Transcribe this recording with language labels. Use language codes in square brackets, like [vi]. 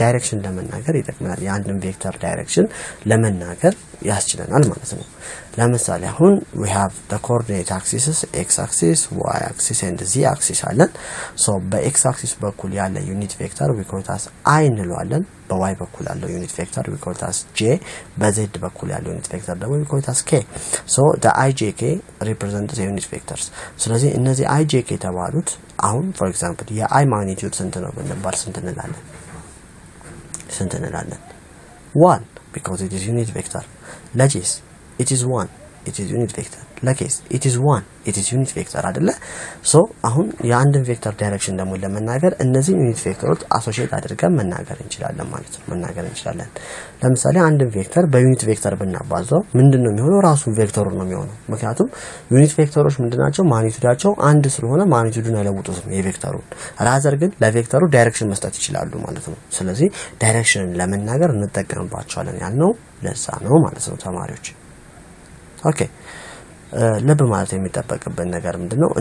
[am] ዳይሬክሽን ለመናገር ይጠቅመናል። የአንድን ቬክተር ዳይሬክሽን ለመናገር ያስችለናል ማለት ነው። ለምሳሌ አሁን [en] we have the coordinate axis x axis y axis and z axis [am] አለን። so በx axis በኩል ያለ ዩኒት ቬክተር ሪኮርታስ i እንለዋለን። በy በኩል ያለው ዩኒት ቬክተር ሪኮርታስ j፣ በz በኩል ያለው ዩኒት ቬክተር ደግሞ ሪኮርታስ k። [en] so the ijk represents the unit vectors። [am] ስለዚህ እነዚህ ijk ተባሉት አሁን for example የi magnitude ስንት ነው ብንባል ስንት እንላለን? [en] 1 because it is unit vector. [am] ለጂስ [en] it is 1 it is unit vector. [am] ለኬስ [en] it is 1 it is unit vector [am] አይደለ? so አሁን የአንድን ቬክተር ዳይሬክሽን ደግሞ ለመናገር እነዚህ ዩኒት ቬክተሮች አሶሺየት አድርገን መናገር እንችላለን ማለት ነው። ለምሳሌ አንድን ቬክተር በዩኒት ቬክተር ብናባዛው ምንድነው የሚሆነው? ራሱ ቬክተሩ ነው የሚሆነው። ምክንያቱም ዩኒት ቬክተሮች ምንድናቸው? ማግኒቱዳቸው አንድ ስለሆነ ማግኒቱዱን አይለውጡትም የቬክተሩ። ራዘር ግን ለቬክተሩ ዳይሬክሽን መስጠት ይችላሉ ማለት ነው። ስለዚህ ዳይሬክሽንን ለመናገር እንጠቀምባቸዋለን ያልነው ለዛ ነው ማለት ነው ተማሪዎች። ኦኬ ለብ ማለት የሚጠበቅበት ነገር ምንድነው?